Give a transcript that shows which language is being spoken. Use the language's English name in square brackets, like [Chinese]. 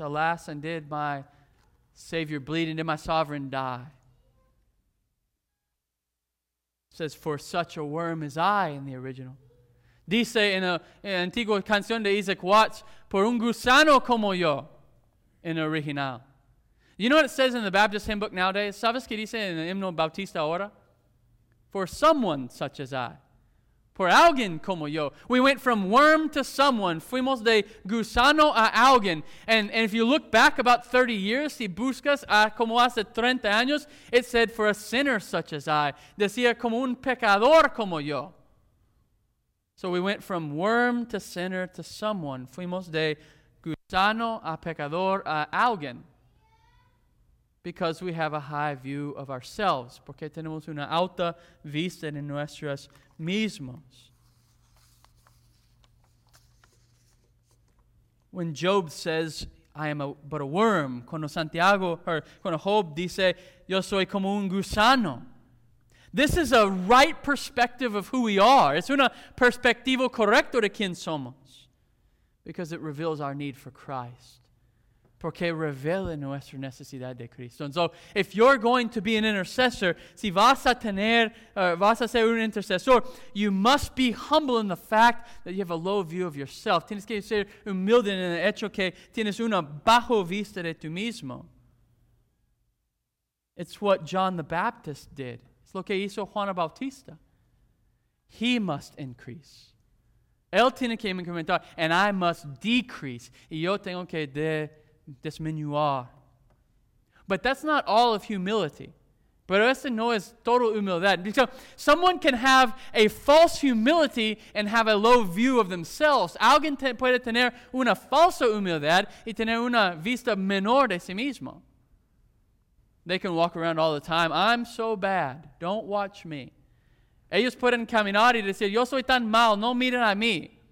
[English] Alas, and did my Savior bleed, and did my Sovereign die? Says, for such a worm as I, in the original. [Spanish] Dice in an antigua canción de Isaac Watts, por un gusano como yo, [English] in original. You know what it says in the Baptist hymn book nowadays? [Spanish] ¿Sabes qué dice en el himno Bautista ahora? [English] For someone such as I. [Spanish] Por alguien como yo. [English] We went from worm to someone. [Spanish] Fuimos de gusano a alguien. [English] And if you look back about 30 years, [Spanish] si buscas a como hace 30 años, [English] it said, for a sinner such as I. [Spanish] Decía, como un pecador como yo. [English] So we went from worm to sinner to someone. [Spanish] Fuimos de gusano a pecador a alguien. [English] Because we have a high view of ourselves. [Spanish] Porque tenemos una alta vista en nuestras mismos. [English] When Job says, I am but a worm, [Spanish] cuando Job dice, yo soy como un gusano, [English] this is a right perspective of who we are. [Spanish] Es una perspectiva correcta de quién somos, [English] because it reveals our need for Christ. [Spanish] Porque revela nuestra necesidad de Cristo. [English] And so, if you're going to be an intercessor, [Spanish] si vas a tener, vas a ser un intercesor, [English] you must be humble in the fact that you have a low view of yourself. [Spanish] Tienes que ser humilde en el hecho que tienes una bajo vista de tú mismo. [English] It's what John the Baptist did. [Spanish] Es lo que hizo Juan Bautista. [English] He must increase. [Spanish] Él tiene que incrementar, [English] and I must decrease. [Spanish] Y yo tengo que disminuir. [English] But that's not all of humility. [Spanish] Pero eso no es total humildad. [English] Because someone can have a false humility and have a low view of themselves. [Spanish] Alguien puede tener una falsa humildad y tener una vista menor de sí mismo. [English] They can walk around all the time, I'm so bad, don't watch me. [Spanish] Ellos pueden caminar y decir, yo soy tan mal, no miren a mí.